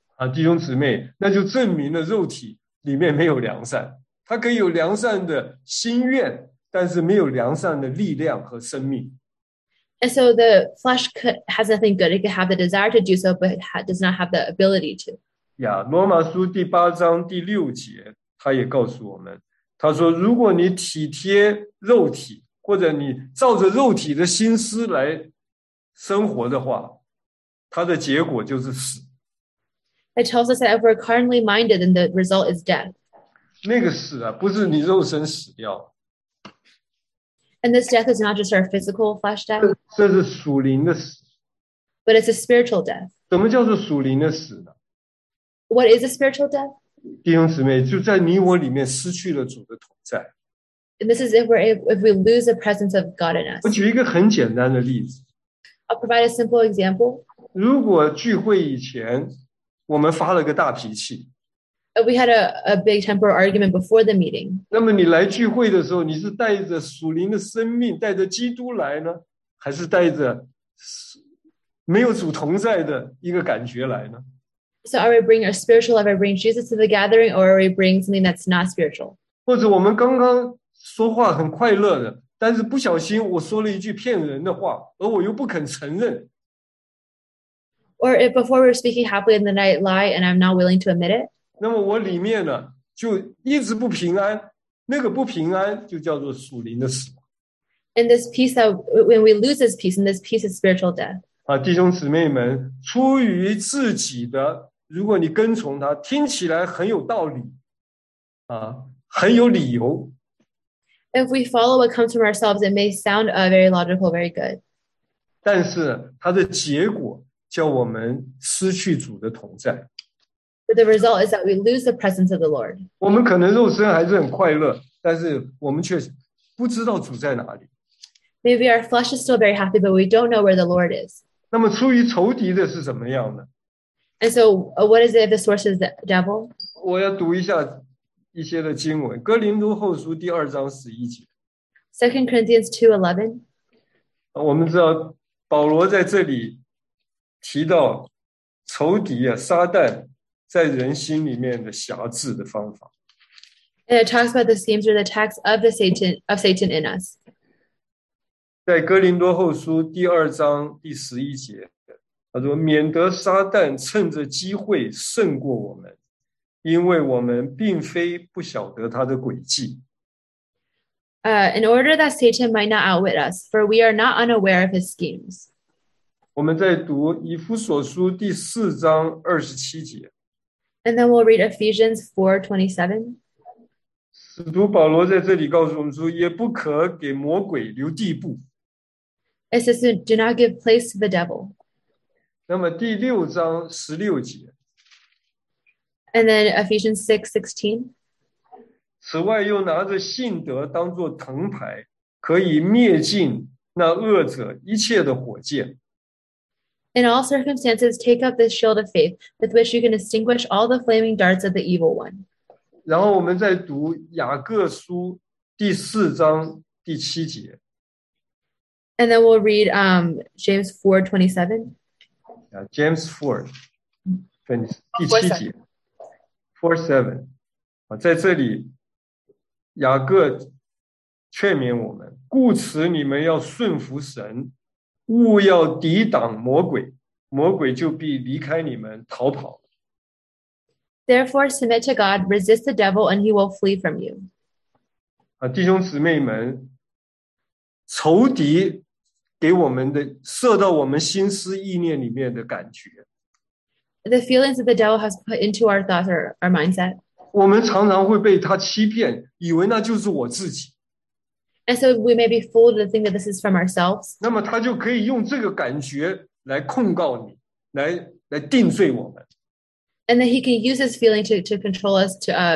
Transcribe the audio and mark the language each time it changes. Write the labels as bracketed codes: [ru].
[zh] 啊，弟兄姊妹，那就证明了肉体里面没有良善，他可以有良善的心愿。但是没有良善的力量和生命。 [en] And so the flesh has nothing good. It can have the desire to do so, but it does not have the ability to. [zh] Yeah, 罗马书第八章第六节，他也告诉我们，他说，如果你体贴肉体，或者你照着肉体的心思来生活的话，他的结果就是死。 [en] It tells us that if we're carnally minded, then the result is death. [zh] 那个死啊，不是你肉身死掉。 [en] And this death is not just our physical flesh death. [zh] 这是属灵的死。 [en] But it's a spiritual death. [zh] 怎么叫做属灵的死呢？ [en] What is a spiritual death? [zh] 弟兄姊妹，就在你我里面失去了主的同在。 [en] And this is if we lose the presence of God in us. [zh] 我举一个很简单的例子。 [en] I'll provide a simple example. [zh] 如果聚会以前，我们发了个大脾气。 [en] We had a big temper argument before the meeting. [zh] 那么你来聚会的时候，你是带着属灵的生命，带着基督来呢，还是带着没有主同在的一个感觉来呢？ [en] So are we bringing our spiritual life, are we bringing Jesus to the gathering, or are we bringing something that's not spiritual? [zh] 或者我们刚刚说话很快乐的，但是不小心我说了一句骗人的话，而我又不肯承认。 [en] Or if before we're speaking happily in the night lie, and I'm not willing to admit it? [zh] 那么我里面呢，就一直不平安。那个不平安就叫做属灵的死亡。 [en] And this peace that when we lose this peace, and this peace is spiritual death. [zh] 啊，弟兄姊妹们，出于自己的，如果你跟从他，听起来很有道理，啊，很有理由。 [en] If we follow what comes from ourselves, it may sound very logical, very good. [zh] 但是它的结果叫我们失去主的同在。 [en] But the result is that we lose the presence of the Lord. [zh] 我们可能肉身还是很快乐，但是我们却不知道主在哪里。 [en] Maybe our flesh is still very happy, but we don't know where the Lord is. [zh] 那么出于仇敌的是什么样的？ [en] And so, what is it if the source is the devil? [zh] 我要读一下一些的经文，《哥林多后书》第二章十一节。 [en] 2 Corinthians 2:11. [zh] 我们知道保罗在这里提到仇敌啊，撒旦。在人心里面的辖制的方法。 [en] And it talks about the schemes or the attacks of the Satan of Satan in us. [zh] 在哥林多后书第二章第十一节，他说：“免得撒旦趁着机会胜过我们，因为我们并非不晓得他的诡计。” [en] In order that Satan might not outwit us, for we are not unaware of his schemes. [zh] 我们在读以弗所书第四章二十七节。 [en] And then we'll read Ephesians 4:27. [zh] 使徒保罗在这里告诉我们说，也不可给魔鬼留地步。 [en] It says, "Do not give place to the devil." [zh] 那么第六章十六节。 [en] And then Ephesians 6:16. [zh] 此外，又拿着信德当作藤牌，可以灭尽那恶者一切的火箭。 [en] In all circumstances, take up this shield of faith with which you can extinguish all the flaming darts of the evil one. [zh] 然后我们再读雅各书第四章第七节。 [en] And then we'll read James 4:27. Yeah, James 4:27. [zh] 在这里雅各劝勉我们，故此你们要顺服神，勿要抵挡魔鬼，魔鬼就必离开你们逃跑。 [en] Therefore submit to God, resist the devil, and he will flee from you. [zh] 弟兄姊妹们，仇敌给我们的射到我们心思意念里面的感觉， [en] The feelings that the devil has put into our thoughts or our mindset. [zh] 我们常常会被他欺骗，以为那就是我自己。 [en] And so we may be fooled to think that this is from ourselves. [zh] 那么他就可以用这个感觉来控告你， 来定罪我们。 [en] And then he can use his feeling to control us, to